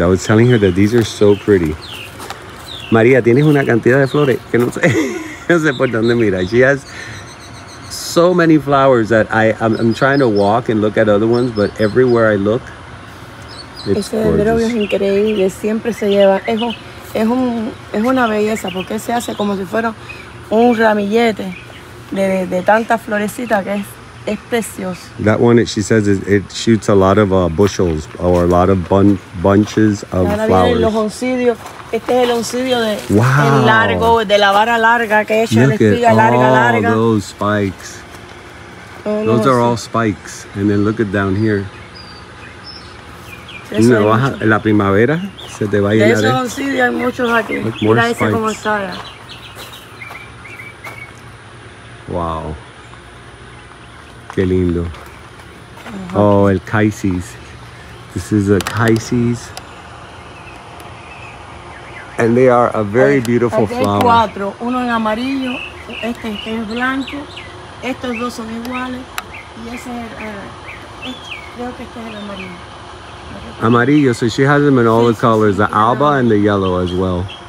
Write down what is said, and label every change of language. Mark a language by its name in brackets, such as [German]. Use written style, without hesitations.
[English] I was telling her that these are so pretty. [Spanish] María, tienes una cantidad de flores que no sé por dónde mirar. [English] She has so many flowers that I'm trying to walk and look at other ones, but everywhere I look, it's [Spanish] Ese dendrobio es increíble. Siempre se lleva. Es una belleza porque se hace como si fuera un ramillete de tantas florecitas que es precioso. [English] That one, she says, it shoots a lot of bushels or a lot of bunches of flowers. [Spanish] Los oncidios. Este es el oncidio de el largo, de la vara larga que es la espiga larga, larga. [English] Look at all those spikes. Those are all spikes. And then look at down here. [Spanish] No, en la primavera se te va a llenar. De esos oncidios hay muchos aquí. Mira ese como está ya. Wow. Qué lindo. Oh, el Cyzicus. [English] This is a Cyzicus. And they are a very beautiful flower. [Spanish] Hay cuatro. Uno en amarillo. Este es blanco. Estos dos son iguales. Y ese es el... creo que este es el amarillo. [English] Amarillo, so she has them in all the colors, the alba and the yellow as well.